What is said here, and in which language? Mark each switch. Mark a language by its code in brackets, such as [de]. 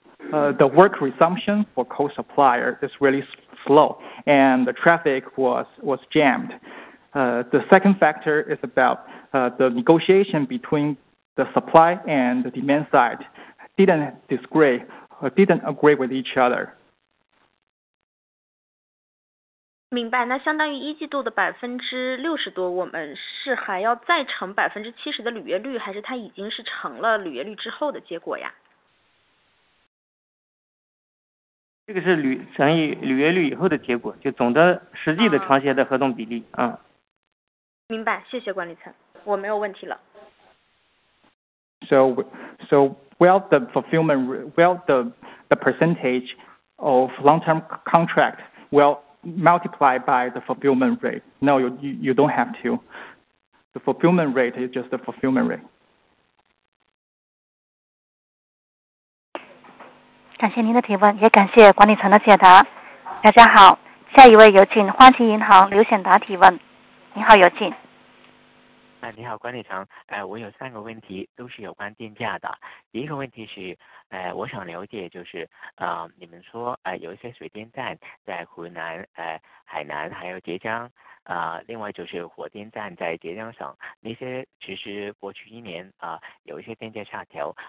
[en] The work resumption for coal supplier is really slow, and the traffic was jammed. The second factor is about the negotiation between the supply and the demand side didn't agree with each other. [zh] 明白，那相当于一季度的60%多，我们是还要再乘70%的履约率，还是它已经是乘了履约率之后的结果呀？这个是乘以履约率以后的结果，就总的实际的长协的合同比例啊。明白，谢谢管理层，我没有问题了。 [en] So while the percentage of long-term contract will multiply by the fulfillment rate. No, you don't have to. The fulfillment rate is just the fulfillment rate. [zh] 感谢您的提问，也感谢管理层的解答。大家好，下一位有请花旗银行刘显达提问。你好，有请。你好，管理层。我有三个问题，都是有关电价的。第一个问题是，我想了解，就是你们说有一些水电站在湖南、海南还有浙江，另外就是火电站在浙江省，那些其实过去一年有一些电价下调。